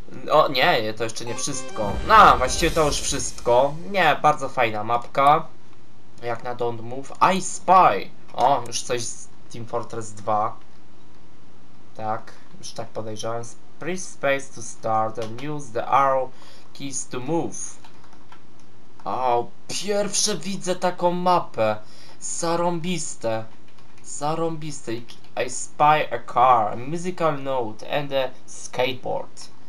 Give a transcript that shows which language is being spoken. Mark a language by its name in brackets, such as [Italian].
[Polish] O nie, to jeszcze nie wszystko. No, właściwie to już wszystko. Nie, bardzo fajna mapka. Jak na Don't Move. I Spy! O, już coś z Team Fortress 2. Tak, już tak podejrzewałem. [English] Press space to start and use the arrow keys to move. [Polish] O, pierwsze widzę taką mapę. Zarąbiste. Zarąbiste. [English] I spy a car, a musical note and a skateboard.